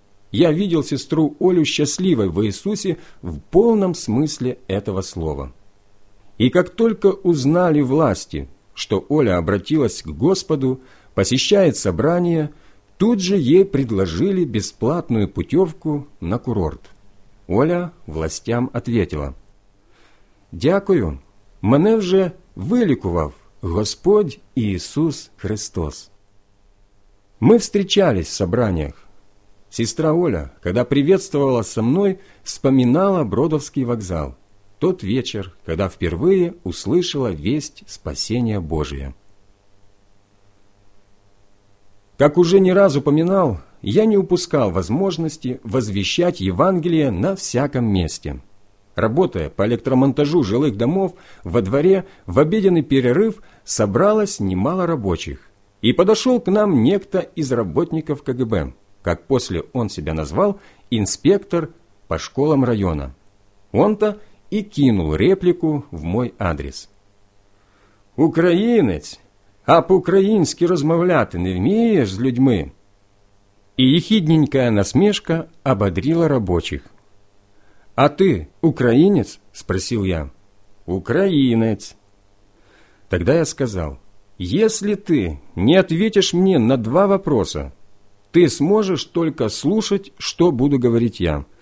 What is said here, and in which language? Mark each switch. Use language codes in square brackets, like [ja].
[ru] Я видел сестру Олю счастливой во Иисусе в полном смысле этого слова. И как только узнали власти, что Оля обратилась к Господу, посещает собрание, тут же ей предложили бесплатную путевку на курорт. [uk] Оля [ru] властям ответила: [uk] «Дякую, мене вже вилікував Господь Ісус Христос». [ru] Мы встречались в собраниях. Сестра Оля, когда приветствовала со мной, вспоминала Бродовский вокзал. Тот вечер, когда впервые услышала весть спасения Божия. Как уже не раз упоминал, я не упускал возможности возвещать Евангелие на всяком месте. Работая по электромонтажу жилых домов, во дворе в обеденный перерыв собралось немало рабочих. И подошел к нам некто из работников КГБ, как после он себя назвал, инспектор по школам района. Он-то и кинул реплику в мой адрес. «Украинец! А по-украински [uk] розмовляти не вмієш з людьми?» [ru] И ехидненькая насмешка ободрила рабочих. «А ты украинец?» – спросил я. «Украинец». Тогда я сказал: «Если ты не ответишь мне на два вопроса, ты сможешь только слушать, что буду говорить я.